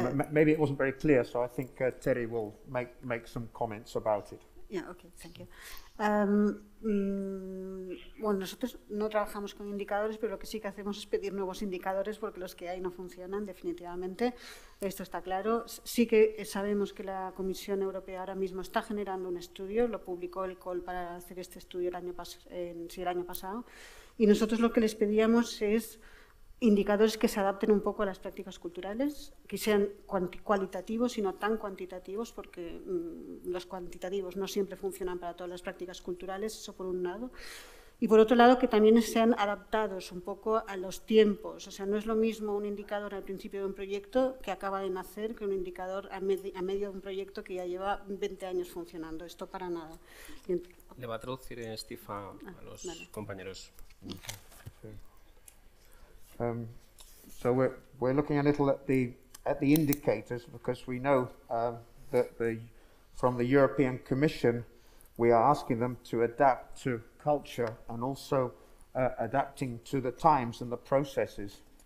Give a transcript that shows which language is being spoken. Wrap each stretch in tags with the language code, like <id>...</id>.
<en>Maybe it wasn't very clear, so I think Tere will make some comments about it. Yeah, okay, thank you.</en> <es>Bueno, nosotros no trabajamos con indicadores, pero lo que sí que hacemos es pedir nuevos indicadores porque los que hay no funcionan definitivamente, esto está claro. Sí que sabemos que la Comisión Europea ahora mismo está generando un estudio, lo publicó el COL para hacer este estudio el año pasado, y nosotros lo que les pedíamos es indicadores que se adapten un poco a las prácticas culturales, que sean cualitativos y no tan cuantitativos, porque los cuantitativos no siempre funcionan para todas las prácticas culturales, eso por un lado. Y por otro lado, que también sean adaptados un poco a los tiempos. O sea, no es lo mismo un indicador al principio de un proyecto que acaba de nacer que un indicador a medio de un proyecto que ya lleva 20 años funcionando. Esto para nada. Le va a traducir Steve a los compañeros.</es> <en>So we're looking a little at the indicators, because we know that the from the European Commission, we are asking them to adapt to culture and also adapting to the times and the processes.</en>